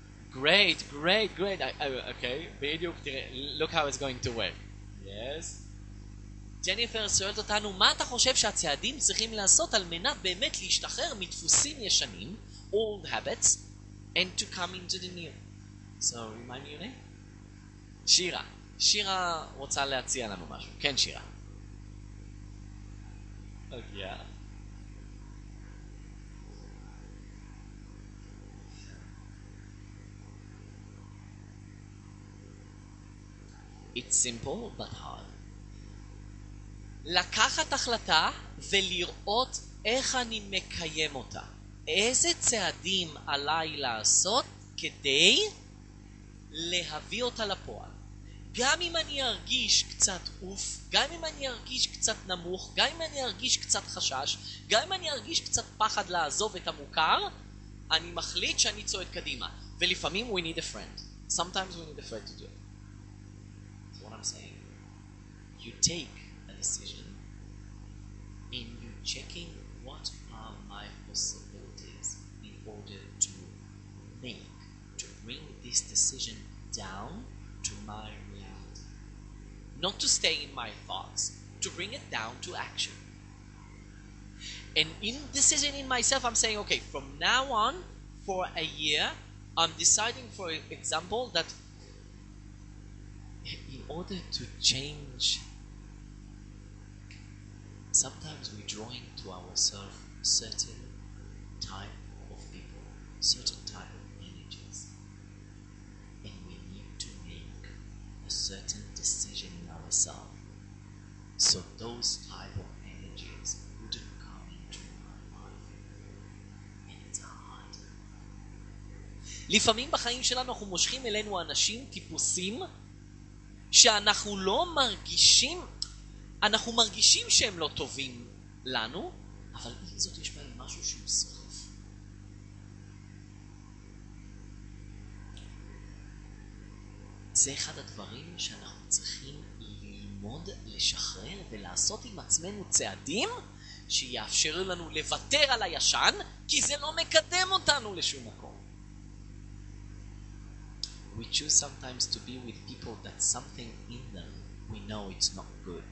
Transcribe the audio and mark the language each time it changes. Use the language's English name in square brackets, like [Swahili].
[English] גרייט, גרייט, גרייט, אוקיי, [Hebrew] בדיוק, תראה, [English] look how it's going to work. Yes. [Hebrew] ג'ניפר שואלת אותנו, מה אתה חושב שהצעדים צריכים לעשות על מנת באמת להשתחרר מדפוסים ישנים, [English] old habits, and to come into the new? So, remind me your name? שירה. [Hebrew] שירה רוצה להציע לנו משהו. כן, שירה. אוקיי. [English] It's simple but hard. [Hebrew] לקחת החלטה ולראות איך אני מקיים אותה. איזה צעדים עליי לעשות כדי להביא אותה לפועל. גם אם אני ארגיש קצת אוף, גם אם אני ארגיש קצת נמוך, גם אם אני ארגיש קצת חשש, גם אם אני ארגיש קצת פחד לעזוב את המוכר, אני מחליט שאני צועד קדימה. ולפעמים [English] we need a friend. Sometimes we need a friend to do it. So what I'm saying, you take a decision and you checking what are my possibilities in order to make, to bring this this decision down to my reality. Not to stay in my thoughts, to bring it down to action. And in decision in myself, I'm saying, okay, from now on, for a year, I'm deciding, for example, that in order to change, sometimes we draw into ourselves certain type of people, certain type of energies, and we need to make a certain decision in ourselves so those type of energies wouldn't come into our life. And it's hard. [Hebrew] לפעמים בחיים שלנו אנחנו מושכים אלינו אנשים טיפוסים שאנחנו לא מרגישים, אנחנו מרגישים שהם לא טובים לנו, אבל עם זאת יש בהם משהו שהוא סוחף. זה אחד הדברים שאנחנו צריכים ללמוד לשחרר ולעשות עם עצמנו צעדים שיאפשרו לנו לוותר על הישן, כי זה לא מקדם אותנו לשום מקום. [English] We choose sometimes to be with people that something in them we know it's not good.